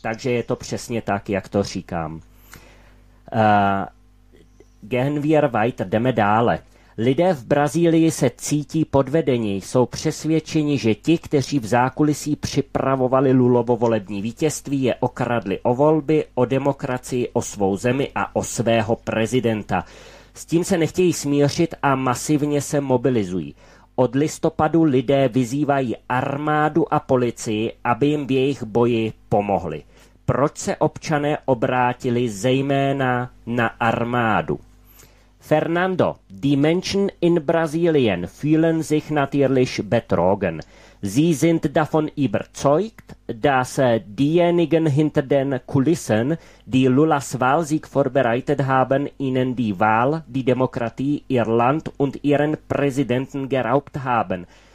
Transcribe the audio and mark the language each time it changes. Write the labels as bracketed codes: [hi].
[cs] Takže je to přesně tak, jak to říkám. [de] Gehen wir weiter, [cs] jdeme dále. Lidé v Brazílii se cítí podvedení, jsou přesvědčeni, že ti, kteří v zákulisí připravovali Lulovo volební vítězství, je okradli o volby, o demokracii, o svou zemi a o svého prezidenta. S tím se nechtějí smířit a masivně se mobilizují. Od listopadu lidé vyzývají armádu a policii, aby jim v jejich boji pomohli. Proč se občané obrátili zejména na armádu? [de] Fernando, die Menschen in Brasilien fühlen sich natürlich betrogen. Sie sind davon überzeugt, dass diejenigen hinter den Kulissen, die Lulas Wahlsieg vorbereitet haben, ihnen die Wahl, die Demokratie, ihr Land und ihren Präsidenten geraubt haben.